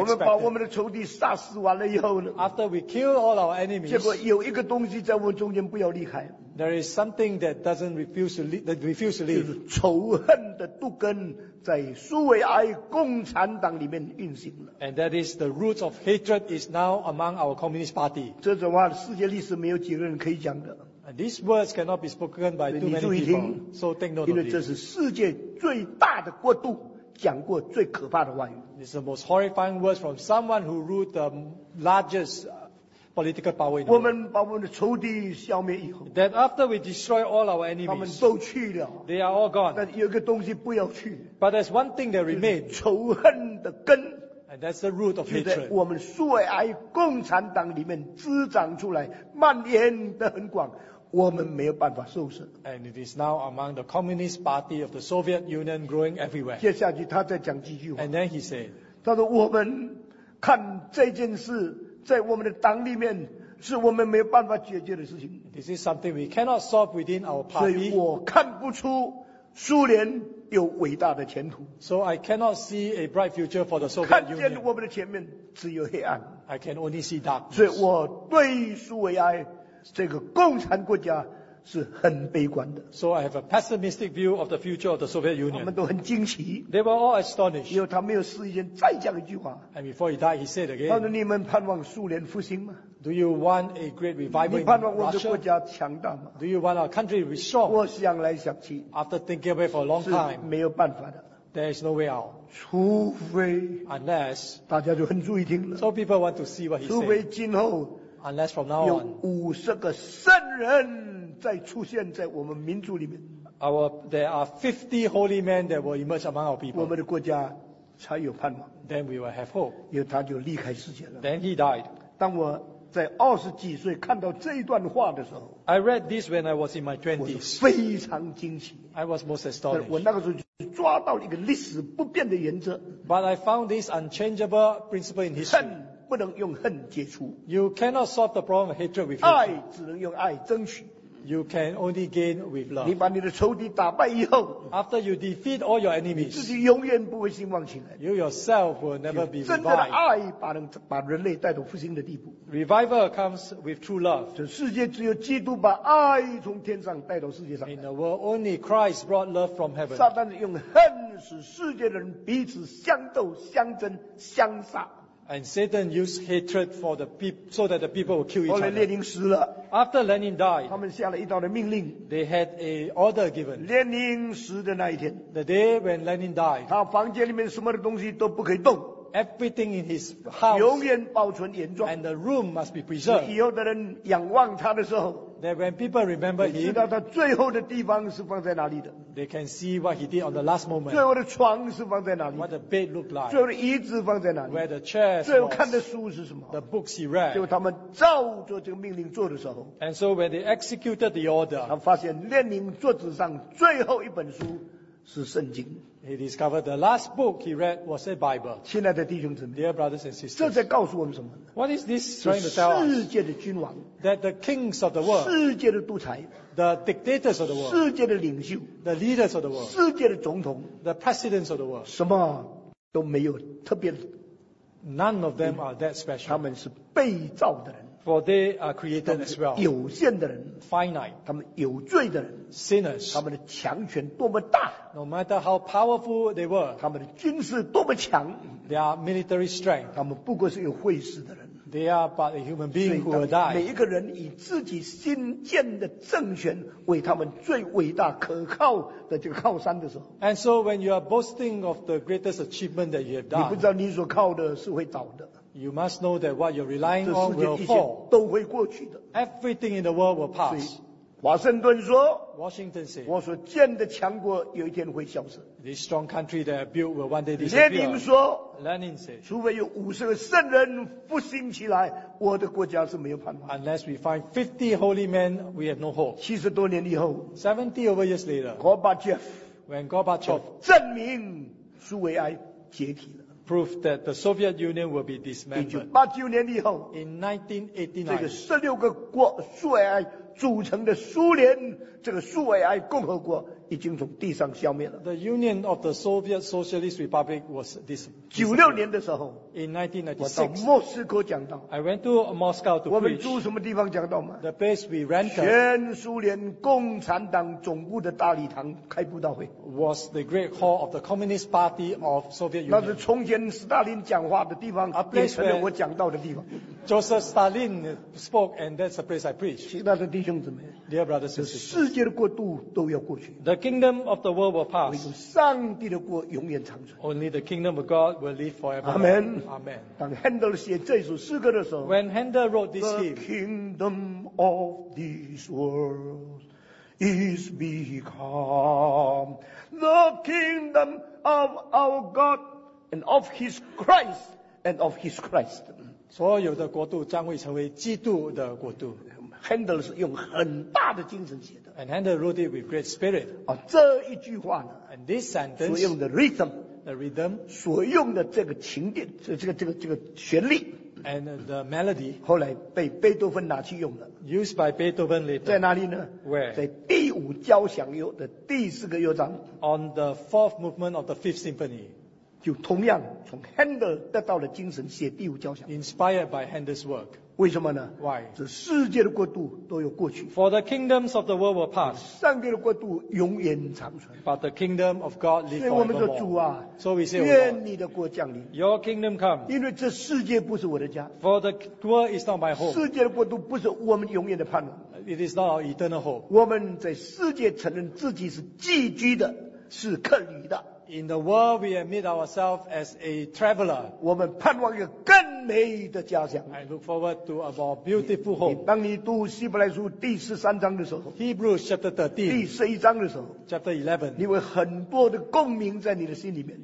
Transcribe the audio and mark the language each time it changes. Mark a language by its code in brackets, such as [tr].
[zh] 我们把我们的仇敌杀死完了以后呢 [en] ？After we kill all our enemies， [zh] 结果有一个东西在我们中间不要离开。 [en] There is something that doesn't refuse to leave. [zh] 就是仇恨的毒根在苏维埃共产党里面运行了。 [en] And that is the root of hatred is now among our communist party. [zh] 这种话世界历史没有几个人可以讲的。 [en] And these words cannot be spoken by too many people. So take note of this. [zh] 因为这是世界最大的国度讲过最可怕的话语。 [en] It's the most horrifying words from someone who ruled the largest political power. [zh] 我们把我们的仇敌消灭以后 [en] ，That after we destroy all our enemies， [zh] 他们都去了 [en] ，They are all gone。 [zh] 但有一个东西不要去 [en] ，But there's one thing that remains， [zh] 仇恨的根 [en] ，And that's the root of hatred。 [zh] 我们苏维埃共产党里面滋长出来，蔓延得很广。我们没有办法收拾。 [en] And it is now among the Communist Party of the Soviet Union growing everywhere. [zh] 接下去他再讲几句话。 [en] And then he said, [zh] 他说我们看这件事在我们的党里面是我们没有办法解决的事情。 [en] This is something we cannot solve within our party. [zh] 所以我看不出苏联有伟大的前途。 [en] So I cannot see a bright future for the Soviet Union. [zh] 看见我们的前面只有黑暗。 [en] I can only see darkness. [zh] 所以我对苏维埃这个共产国家是很悲观的。 [en] So I have a pessimistic view of the future of the Soviet Union. [zh] 他们都很惊奇。 [en] They were all astonished. [zh] 因为他没有事先再讲一句话。 [en] And before he died, he said again. [zh] 他说：“你们盼望苏联复兴吗 [en] ？”Do you want a great revival in Russia? [zh] 你盼望我的国家强大吗 [en] ？Do you want our country to be strong? [zh] 我想来想去 [en] ，After thinking about it for a long time, [zh] 是没有办法的。 [en] There is no way out. [zh] 除非 [en] ，Unless [zh] 大家就很注意听了。 [en] So people want to see what he said. [zh] 除非今后 [en] ，Unless from now on [zh] 有50个圣人。在出现在我们民族里面 [en] there are 50 holy men that will emerge among our people. [zh] 我们的国家才有盼望。 [en] Then we will have hope. [zh] 因为他就离开世界了。 [en] Then he died. [zh] 当我在二十几岁看到这一段话的时候 [en] I read this when I was in my 20s. [zh] 我非常惊奇。 [en] I was most astonished. [zh] 我那个时候就抓到一个历史不变的原则。 [en] But I found this unchangeable principle in history. [zh] 恨不能用恨解除。 [en] You cannot solve the problem of hatred with hatred. [zh] 爱只能用爱争取。 [en] You can only gain with love. [zh] 你把你的仇敌打败以后 [en] ，After you defeat all your enemies， [zh] 自己永远不会兴旺起来。 [en] You yourself will never be revived. [zh] 真正的爱把人类带到复兴的地步。 [en] Revival comes with true love. [zh] 这世界只有基督把爱从天上带到世界上。 [en] In the world, only Christ brought love from heaven. [zh] 撒旦用恨使世界的人彼此相斗、相争、相杀。 [en] And Satan used hatred for the people so that the people will kill each other. [zh] 后来列宁死了。 [en] After Lenin died, [zh] 他们下了一道的命令。 [en] They had an order given. [zh] 列宁死的那一天。 [en] The day when Lenin died, [zh] 他房间里面什么的东西都不可以动。 [en] Everything in his house, [zh] 永远保存原状。 [en] And the room must be preserved. [zh] 以后的人仰望他的时候。 [en] That when people remember him, [zh] 知道他最后的地方是放在哪里的。 [en] They can see what he did on the last moment. [zh] 最后的床是放在哪里的。 [en] What the bed looked like. [zh] 最后的椅子放在哪里。 [en] Where the chair was. [zh] 最后看的书是什么。 [en] The books he read. [zh] 就他们照着这个命令做的时候。 [en] And so when they executed the order, [zh] 他发现列宁桌子上最后一本书是圣经。 [en] He discovered the last book he read was a Bible. [zh] 亲爱的弟兄姊妹 [en] ，Dear brothers and sisters， [zh] 这在告诉我们什么 [en] ？What is this trying to tell us？ [zh] 世界的君王 [en] ，that the kings of the world， [zh] 世界的独裁 [en] ，the dictators of the world， [zh] 世界的领袖 [en] ，the leaders of the world， [zh] 世界的总统 [en] ，the presidents of the world， [zh] 什么都没有特别 [en] ，none of them are that special。 [zh] 他们是被造的人 [en] ，for they are created as well。 [zh] 有限的人 [en] ，finite。 [zh] 他们有罪的人 [en] ，sinners。 [zh] 他们的强权多么大。 [en] No matter how powerful they were, [zh] 他们的军事多么强 [en] ，their military strength， [zh] 他们不过是有会死的人 [en] ，they are but a human being who will die。 [zh] 每一个人以自己新建的政权为他们最伟大可靠的这个靠山的时候 [en] ，and so when you are boasting of the greatest achievement that you have done， [zh] 你不知道你所靠的是会倒的。 [en] You must know that what you're relying on will fall， [zh] 都会过去的。 [en] Everything in the world will pass。 [zh] 华盛顿说 [en] Washington said, [zh] 我所建的强国有一天会消失 [en] This strong country that I built will one day disappear [zh] 列宁说 [en] Lenin said, [zh] 除非有五十个圣人复兴起来我的国家是没有盼望 [en] Unless we find 50 holy men we have no hope [zh] 七十多年以后 [en] 70 over years later Gorbachev When Gorbachev [zh] 证明苏维埃解体了 [en] Proof that the Soviet Union will be dismembered [zh] 1989年以后 [en] In 1989 [zh] 这个16个国苏维埃组成的苏联这个苏维埃共和国已经从地上消灭了。 [en] The Union of the Soviet Socialist Republic was dismembered. [zh] 96年的时候 [en] ，In 1996, [zh] 我到莫斯科讲道。 [en] I went to Moscow to preach. [zh] 我们住什么地方讲道吗 [en] ？The place we rented. [zh] 全苏联共产党总部的大礼堂开布道会。 [en] Was the Great Hall of the Communist Party of Soviet Union. [zh] 那是从前斯大林讲话的地方，变成了我讲道的地方。 [en] Joseph Stalin spoke, and that's the place I preach. [zh] 亲爱的弟兄姊妹 [en] ，Dear brothers and sisters, [zh] 世界的国度都要过去。 [en] The kingdom of the world will pass. [zh] 唯有上帝的国永远长存。 [en] Only the kingdom of God will live forever. Amen. Amen. [zh] 当 Handel 写这首诗歌的时候 [en] ，When Handel wrote this hymn, the kingdom of this world is become the kingdom of our God and of His Christ and of His Christ. [zh] 所有的国度将会成为基督的国度。 Handel 是用很大的精神写的。 [en] And Handel wrote it with great spirit. [zh] 啊，这一句话呢 [en] ？And this sentence. [zh] 所用的 rhythm. [en] The rhythm. [zh] 所用的这个情调，这个旋律。 [en] And the melody. [zh] 后来被贝多芬拿去用了。 [en] Used by Beethoven later. [zh] 在哪里呢 [en] ？Where? [zh] 在第五交响乐的第四个乐章。 [en] On the fourth movement of the fifth symphony. [zh] 就同样从 Handel 得到了精神，写第五交响。 [en] Inspired by Handel's work. [zh] 为什么呢 [en] ？Why? [zh] 这世界的国度都有过去。 [en] For the kingdoms of the world will pass. [zh] 上帝的国度永远长存。 [en] But the kingdom of God lives forever. [zh] 所以我们说主啊， [en] so、we say, [zh] 愿你的国降临。 [en] Your kingdom come. [zh] 因为这世界不是我的家。 [en] For the world is not my home. [zh] 世界的国度不是我们永远的盼望。 [en] It is not our eternal hope. [zh] 我们在世界承认自己是寄居的，是客旅的。 [en] In the world, we admit ourselves as a traveler. [zh] 我们盼望一个更美的家乡。 [en] I look forward to a more beautiful home. [zh] 当你读希伯来书第十三章的时候 [en] ，Hebrews chapter 13, [zh] 第十一章的时候 [en] ，chapter 11, [zh] 你会很多的共鸣在你的心里面。